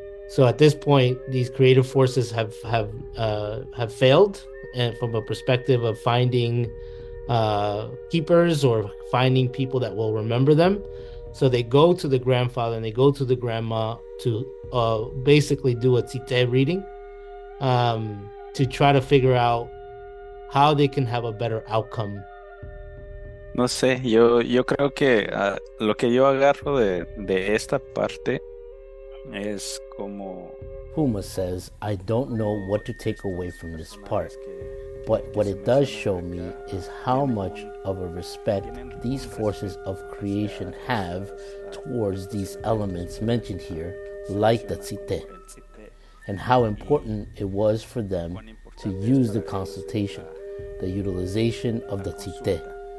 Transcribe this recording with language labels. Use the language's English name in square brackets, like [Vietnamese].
[English] So at this point, these creative forces have failed, and from a perspective of finding keepers or finding people that will remember them, so they go to the grandfather and they go to the grandma to basically do a tite reading to try to figure out how they can have a better outcome. [Spanish] No sé, yo creo que lo que yo agarro de esta parte es como... [English] Puma says, I don't know what to take away from this part, but what it does show me is how much of a respect these forces of creation have towards these elements mentioned here, like the tzite, and how important it was for them to use the consultation, the utilization of the tzite.